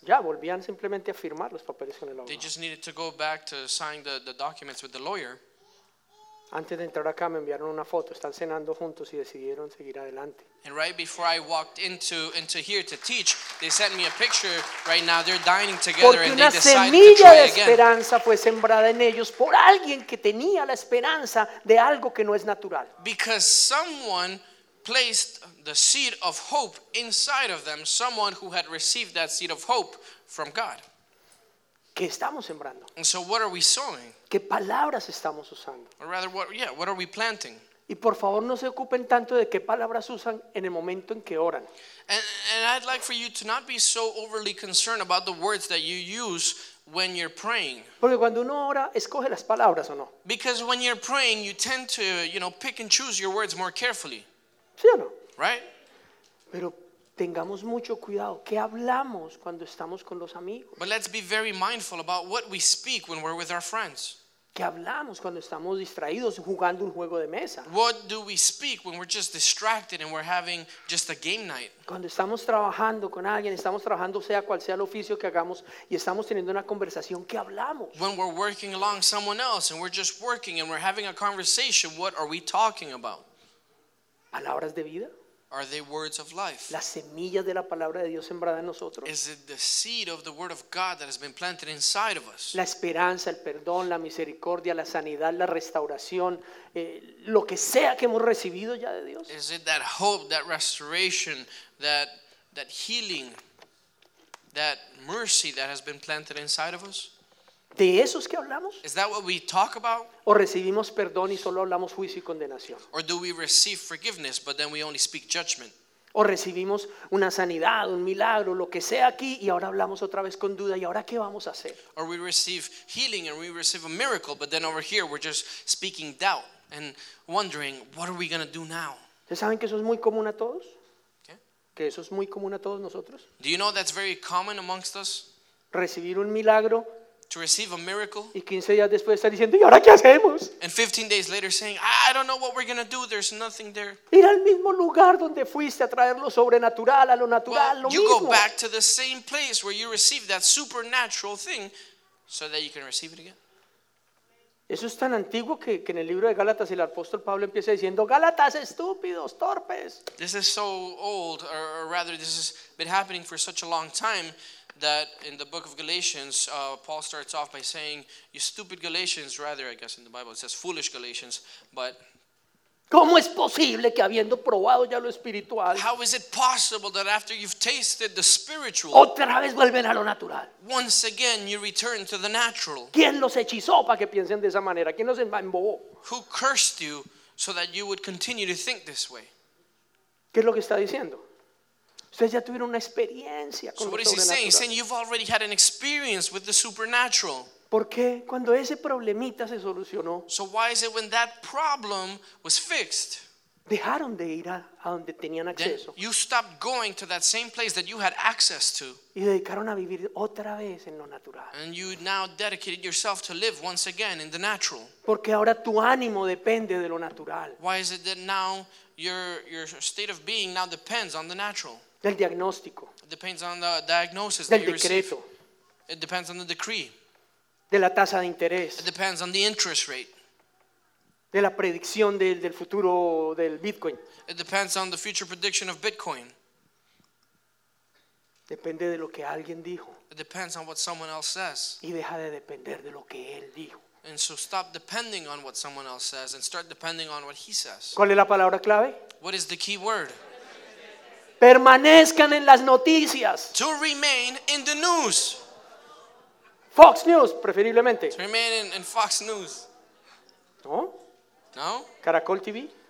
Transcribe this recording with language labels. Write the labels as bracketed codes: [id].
[es] Ya, volvían simplemente a firmar los papeles con el abogado. [en] They just needed to go back to sign the documents with the lawyer. [es] Antes de entrar acá me enviaron una foto. Están cenando juntos y decidieron seguir adelante. [en] And right before I walked into here to teach, they sent me a picture right now. They're dining together and they decided to try again. [es] Porque una semilla de esperanza fue sembrada en ellos por alguien que tenía la esperanza de algo que no es natural. [en] Because someone placed the seed of hope inside of them, someone who had received that seed of hope from God. [es] ¿Qué estamos sembrando? [en] And so what are we sowing? [es] ¿Qué palabras estamos usando? [en] Or rather, what are we planting? [es] Y por favor, no se ocupen tanto de qué palabras usan en el momento en que oran. [en] And I'd like for you to not be so overly concerned about the words that you use when you're praying. [es] Porque cuando uno ora, escoge las palabras o no. [en] Because when you're praying, you tend to, pick and choose your words more carefully. [es] ¿Sí o no? [en] Right? [es] Pero tengamos mucho cuidado qué hablamos cuando estamos con los amigos. [en] But let's be very mindful about what we speak when we're with our friends. [es] ¿Qué hablamos cuando estamos distraídos jugando un juego de mesa? [en] What do we speak when we're just distracted and we're having just a game night? [es] Cuando estamos trabajando con alguien, estamos trabajando sea cual sea el oficio que hagamos y estamos teniendo una conversación, ¿qué hablamos? [en] When we're working along someone else and we're just working and we're having a conversation, what are we talking about? [es] Palabras de vida. [en] Are they words of life? [es] Las semillas de la palabra de Dios sembrada en nosotros. [en] Is it the seed of the word of God that has been planted inside of us? [es] La esperanza, el perdón, la misericordia, la sanidad, la restauración, lo que sea que hemos recibido ya de Dios. [en] Is it that hope, that restoration, that healing, that mercy that has been planted inside of us? [es] ¿De esos que hablamos? [en] Is that what we talk about? [es] ¿O recibimos perdón y solo hablamos juicio y condenación? [en] Or do we receive forgiveness, but then we only speak judgment? [es] ¿O recibimos una sanidad, un milagro, lo que sea aquí, y ahora hablamos otra vez con duda, y ahora qué vamos a hacer? [en] Or we receive healing and we receive a miracle, but then over here we're just speaking doubt and wondering, what are we going to do now? [es] ¿Saben que eso es muy común a todos? ¿Que eso es muy común a todos nosotros? [en] Do you know that's very common amongst us? [es] Recibir un milagro [en] to receive a miracle. [es] Y 15 días después está diciendo, ¿y ahora qué hacemos? [en] And 15 days later saying, I don't know what we're going to do. There's nothing there. [es] Ir al mismo lugar donde fuiste a traer lo sobrenatural a lo natural, lo [en] you [es] mismo. [en] Go back to the same place where you received that supernatural thing so that you can receive it again. [es] Eso es tan antiguo que en el libro de Gálatas el apóstol Pablo empieza diciendo Gálatas estúpidos, torpes. [en] This is so old, or rather this has been happening for such a long time that in the book of Galatians Paul starts off by saying you stupid Galatians, rather I guess in the Bible it says foolish Galatians, but [es] ¿cómo es posible que habiendo probado ya lo espiritual? [en] How is it possible that after you've tasted the spiritual, [es] otra vez vuelven a lo natural? [en] Once again you return to the natural. [es] ¿Quién los hechizó para que piensen de esa manera? ¿Quién los embobó? [en] Who cursed you so that you would continue to think this way? [es] ¿Qué es lo que está diciendo? Ustedes ya tuvieron una experiencia con lo sobrenatural. [en] So what is he saying? He's saying you've already had an experience with the supernatural. [es] ¿Por qué? Cuando ese problemita se solucionó. [en] So why is it when that problem was fixed? [es] Dejaron de ir a donde tenían acceso. [en] You stopped going to that same place that you had access to. [es] Y dedicaron a vivir otra vez en lo natural. [en] And you now dedicated yourself to live once again in the natural. [es] Porque ahora tu ánimo depende de lo natural. [en] Why is it that now your state of being now depends on the natural? [es] Del diagnóstico. [en] It depends on the diagnosis [es] del [en] that you [es] decreto. [en] Receive. It depends on the decree. [es] De la tasa de interés. [en] It depends on the interest rate. [es] De la predicción del futuro del Bitcoin. [en] It depends on the future prediction of Bitcoin. [es] Depende de lo que alguien dijo. [en] It depends on what someone else says. [es] Y deja de depender de lo que él dijo. [en] And so stop depending on what someone else says and start depending on what he says. [es] ¿Cuál es la palabra clave? [en] What is the key word? [es] Permanezcan en las noticias. [en] To remain in the news. [es] Fox News, preferiblemente. [en] To remain in Fox News. [es] ¿No? [en] No? [es] Caracol TV?